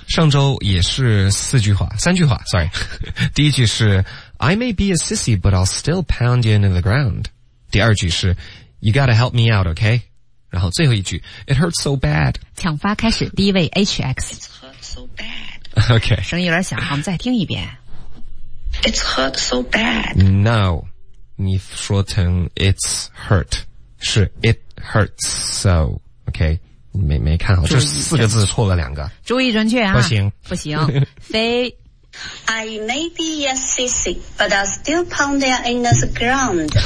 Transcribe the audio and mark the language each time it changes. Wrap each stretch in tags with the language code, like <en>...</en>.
<zh>上周也是四句话，三句话</zh> <en>，Sorry，</en> <zh>第一句是</zh> <en>I may be a sissy， but I'll still pound you into the ground。</en> <zh>第二句是</zh> <en>You gotta help me out， OK？</en> <zh>然后最后一句</zh> <en>It hurts so bad。</en> <zh>抢发开始，第一位 HX。</zh> <en>It hurts so bad。 Okay.</en> <zh>声音有点小，我们再听一遍。</zh> <en>It's hurt so bad. No,</en> <zh>你说成</zh> <en>it's hurt, 是 it hurts so, okay?</en> <zh>没看好，这四个字错了两个。注意准确啊。不行。不行。非。</zh> <en>I may be a sissy, but I'll still pound there in the ground.</en>